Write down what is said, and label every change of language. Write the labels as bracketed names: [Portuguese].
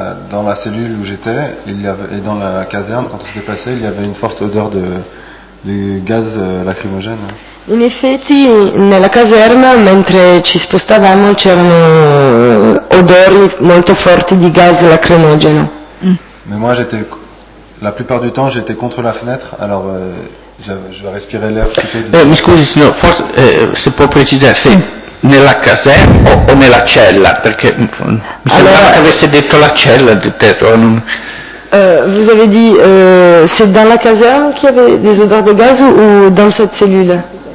[French] Dans la cellule où j'étais, il y avait, et dans la caserne, quand on s'était passé, il y avait une forte odeur de. [Italian] Di gas lacrimogeno. In effetti nella caserma mentre ci spostavamo c'erano odori molto forti di gas lacrimogeno. [French] Mais moi j'étais la plupart du temps j'étais contro la fenêtre, alors je respirais l'air frippé. [Italian] Mi scusi signor, forse se può precisare se nella caserma o nella cella, perché mi sembrava allora, che avesse detto la cella di te, non. [French] Vous avez dit, c'est dans la caserne qu'il y avait des odeurs de gaz ou dans cette cellule ?